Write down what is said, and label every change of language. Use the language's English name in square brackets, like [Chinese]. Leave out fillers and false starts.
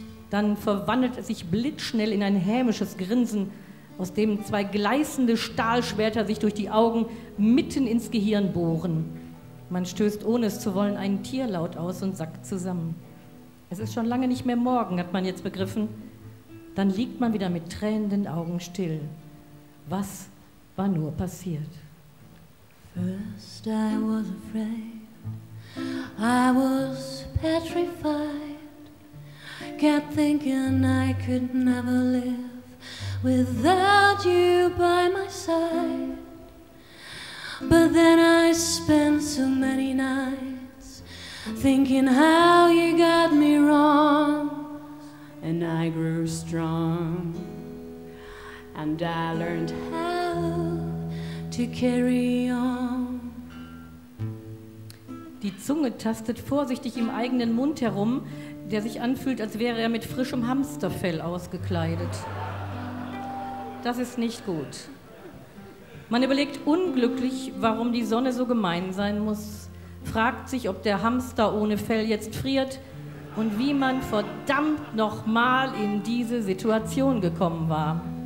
[German] Dann verwandelt es sich blitzschnell in ein hämisches Grinsen, aus dem zwei gleißende Stahlschwerter sich durch die Augen mitten ins Gehirn bohren. Man stößt, ohne es zu wollen, einen Tierlaut aus und sackt zusammen. Es ist schon lange nicht mehr Morgen, hat man jetzt begriffen. Dann liegt man wieder mit tränenden Augen still. Was war nur passiert? [English] First I was afraid, I was petrified. Kept thinking I could never live without you by my side. But then I spent so many nights thinking how you got me wrong. And I grew strong, and I learned how to carry on. [German] Die Zunge tastet vorsichtig im eigenen Mund herum, der sich anfühlt, als wäre er mit frischem Hamsterfell ausgekleidet. Das ist nicht gut. Man überlegt unglücklich, warum die Sonne so gemein sein muss, fragt sich, ob der Hamster ohne Fell jetzt friert, und wie man verdammt nochmal in diese Situation gekommen war.